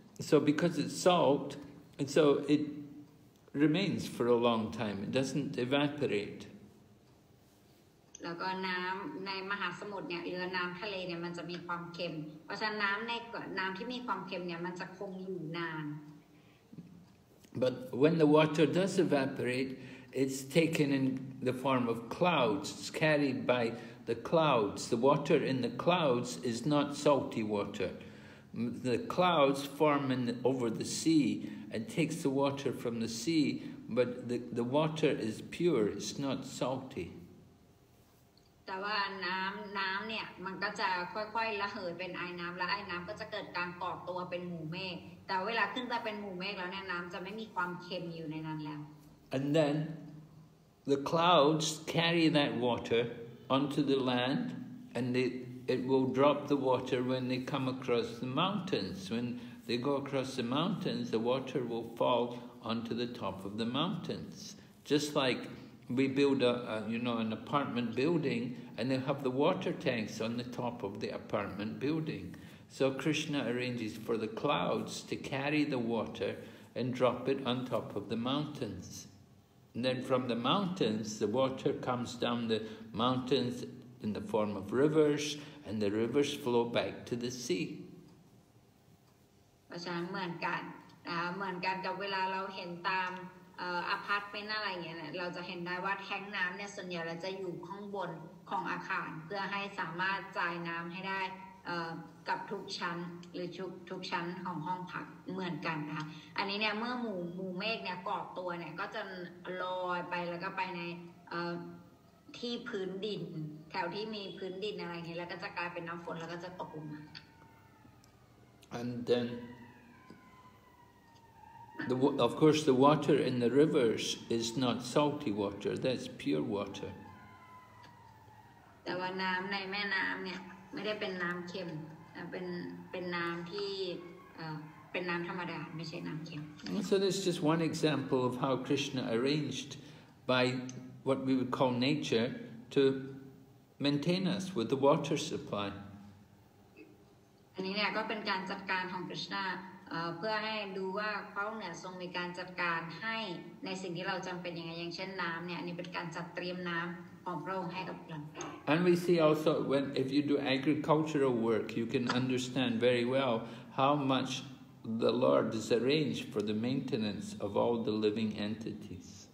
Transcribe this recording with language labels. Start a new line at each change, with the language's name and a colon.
English: So because it's salt, and so it remains for a long time. It doesn't evaporate.
Thai: แล้วก็น้ำในมหาสมุทรเนี่ยหรือน้ำทะเลเนี่ยมันจะมีความเค็มเพราะฉะนั้นน้ำในน้ำที่มีความเค็มเนี่ยมันจะคงอยู่นาน
English: But when the water does evaporate, it's taken in the form of clouds. It's carried by the clouds. The water in the clouds is not salty water. The clouds form in the, over the sea and takes the water from the sea, but the water is pure. It's not salty.
Thai: แต่ว่าน้ำเนี่ยมันก็จะค่อยๆระเหยเป็นไอน้ำและไอน้ำก็จะเกิดการกรอบตัวเป็นหมู่เมฆแต่เวลาขึ้นไปเป็นหมู่เมฆแล้วเนี่ยน้ำจะไม่มีความเค็มอยู่ในนั้นแล้ว
English: And then the clouds carry that water onto the land and it will drop the water when they come across the mountains when they go across the mountains the water will fall onto the top of the mountains just likeWe build an apartment building, and they have the water tanks on the top of the apartment building. So Krishna arranges for the clouds to carry the water and drop it on top of the mountains. And then from the mountains, the water comes down the mountains in the form of rivers, and the rivers flow back to the sea.
Thai: เหมือนกันกับเวลาเราเห็นตามอพาร์ตเมนต์อะไรเงี้ยเราจะเห็นได้ว่าแท้งน้ำเนี่ยส่วนใหญ่เราจะอยู่ข้างบนของอาคารเพื่อให้สามารถจ่ายน้ำให้ได้กับทุกชั้นหรือทุกชั้นของห้องพักเหมือนกันนะคะอันนี้เนี่ยเมื่อหมู่เมฆเนี่ยกอบตัวเนี่ยก็จะลอยไปแล้วก็ไปในที่พื้นดินแถวที่มีพื้นดินอะไรเงี้ยแล้วก็จะกลายเป็นน้ำฝนแล้วก็จะตกลงมา
English: and thenOf course, the water in the rivers is not salty water. That's pure water.
Thai: แต่ว่าน้ำในแม่น้ำเนี่ยไม่ได้เป็นน้ำเค็มเป็นน้ำที่เป็นน้ำธรรมดาไม่ใช่น้ำเค็ม
English: So this is just one example of how Krishna arranged by what we would call nature to maintain us with the water supply.
Thai: อันนี้เนี่ยก็เป็นการจัดการของ Krishnaเพื่อให้ดูว่าพระองค์เนี่ยทรงมีการจัดการให้ในสิ่งที่เราจำเป็นยังไงอย่างเช่นน้ำเนี่ยอันนี้เป็นการจัดเตรียมน้ำของพระองค์ให้กับเรา
English: And we see also when if you do agricultural work you can understand very well how much the Lord has arranged for the maintenance of all the living entities